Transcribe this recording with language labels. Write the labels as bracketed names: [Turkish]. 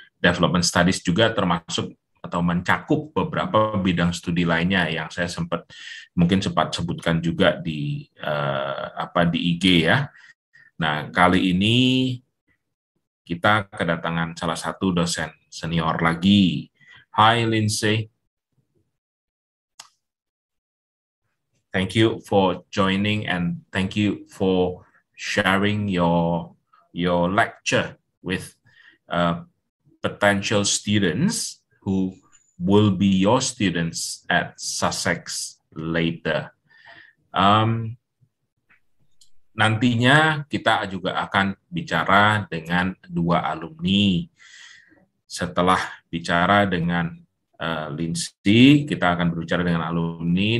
[Indonesian] Development studies juga termasuk atau mencakup beberapa bidang studi lainnya yang saya sempat mungkin sempat sebutkan juga di IG ya. Nah, kali ini kita kedatangan salah satu dosen senior lagi. [English] Hi Lyndsay. Thank you for joining and thank you for sharing your lecture with potential students who will be your students at Sussex later. [Indonesian] Nantinya kita juga akan bicara dengan dua alumni. Setelah bicara dengan Lyndsay, kita akan berbicara dengan alumni.